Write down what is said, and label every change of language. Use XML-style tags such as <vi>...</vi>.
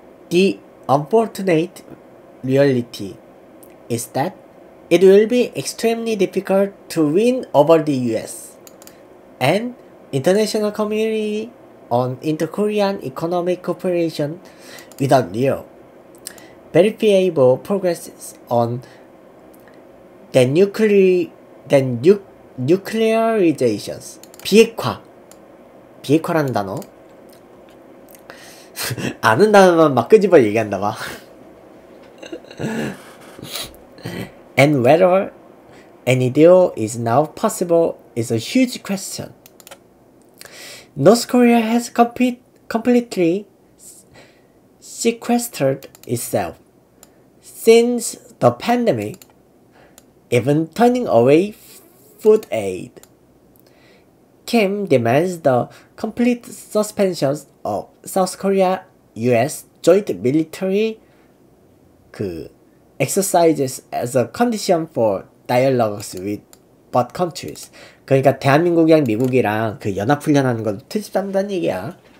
<en>The unfortunate reality is that it will be extremely difficult to win over the US and international community on inter-Korean economic cooperation without real, verifiable progress on denuclearizations.</en> <ko>비핵화. 비핵화라는 단어. 아는 단어만 막 끄집어 얘기한다 봐.</ko> <en>And whether any deal is now possible is a huge question. North Korea has completely sequestered itself since the pandemic, even turning away food aid. Kim demands the complete suspension of South Korea US joint military exercises as a condition for dialogues with both countries.</en> <ko>그러니까 대한민국이랑 미국이랑 그 연합훈련하는 걸 트집단다는 얘기야.</ko>